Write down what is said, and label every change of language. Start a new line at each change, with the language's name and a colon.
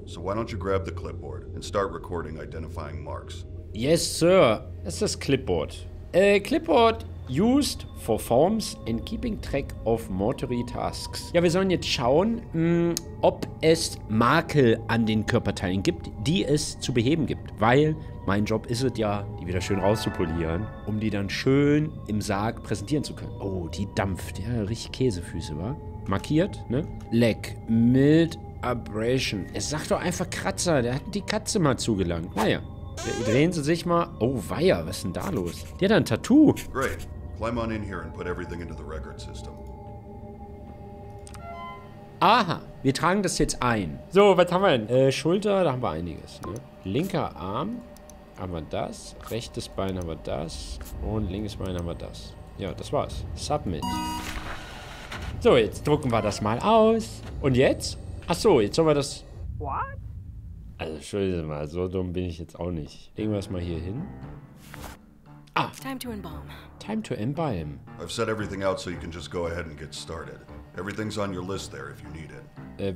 English: So why don't you grab the clipboard and start recording identifying marks. Yes, sir.
German: Das ist das Clipboard.
English: Clipboard used for forms and keeping track of mortuary tasks.
German: Ja, wir sollen jetzt schauen, ob es Makel an den Körperteilen gibt, die es zu beheben gibt. Weil mein Job ist es ja, die wieder schön rauszupolieren, um die dann schön im Sarg präsentieren zu können. Oh, die dampft. Ja, richtig Käsefüße, wa? Markiert, ne? Leg.
English: Mild abrasion.
German: Es sagt doch einfach Kratzer. Der hat die Katze mal zugelangt. Naja. Drehen Sie sich mal. Oh weia, was ist denn da los? Der hat ein Tattoo.
English: Great. Climb on in here and put everything into the record system.
German: Aha, wir tragen das jetzt ein. So, was haben wir denn? Schulter, da haben wir einiges, ne? Linker Arm haben wir das. Rechtes Bein haben wir das. Und linkes Bein haben wir das. Ja, das war's. Submit. So, jetzt drucken wir das mal aus. Und jetzt? Achso, jetzt sollen wir das.
English: What?
German: Also, entschuldige mal, so dumm bin ich jetzt auch nicht. Legen wir es mal hier hin. Ah!
English: Time to embalm. Time to embalm. I've set everything out, so you can just go ahead and get started. Everything's on your list there, if you need it.